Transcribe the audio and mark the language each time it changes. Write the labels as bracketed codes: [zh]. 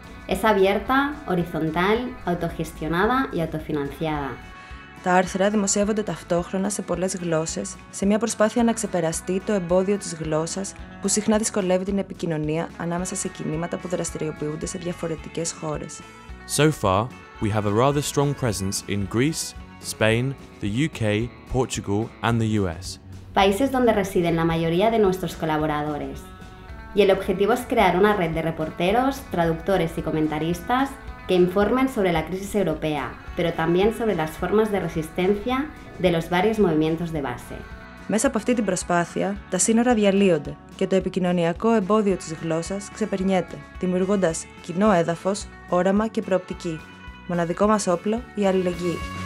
[es] Es abierta, horizontal, autogestionada y autofinanciada. [el] Τα άρθρα δημοσιεύονται ταυτόχρονα σε πολλές γλώσσες, σε μια προσπάθεια να ξεπεραστεί το εμπόδιο της γλώσσας που συχνά δυσκολεύει την επικοινωνία ανάμεσα σε κινήματα που δραστηριοποιούνται σε διαφορετικές χώρες. [en] So far, we have a rather strong presence in Greece, Spain, the UK, Portugal and the US. [es] Países donde residen la mayoría de nuestros colaboradores. Y el objetivo es crear una red de reporteros, traductores y comentaristas que informen sobre la crisis europea, pero también sobre las formas de resistencia de los varios movimientos de base. [el] Μέσα από αυτή την προσπάθεια, τα σύνορα διαλύονται και το επικοινωνιακό εμπόδιο της γλώσσας ξεπερνιέται, δημιουργώντας κοινό έδαφος, όραμα και προοπτική. Μοναδικό μας όπλο, η αλληλεγγύη.